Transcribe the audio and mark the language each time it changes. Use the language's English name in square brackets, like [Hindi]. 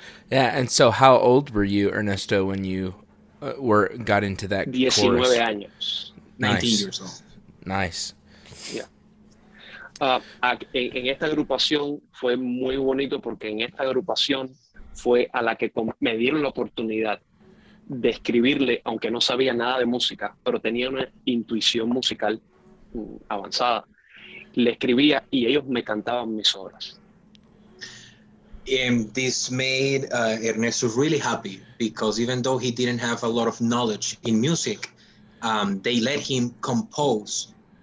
[English] Yeah, and so how old were you, Ernesto, when you got into that 19 chorus? [Spanish] 19 años. [English] Nice. 19 years old. Nice. [Spanish] En esta agrupación fue muy bonito porque en esta agrupación fue a la que me dieron la oportunidad de escribirle, aunque no sabía nada de música, pero tenía una intuición musical avanzada. Le escribía y ellos me cantaban mis obras. [English] And this made Ernesto really happy because even though he didn't have a lot of knowledge in music, they let him compose.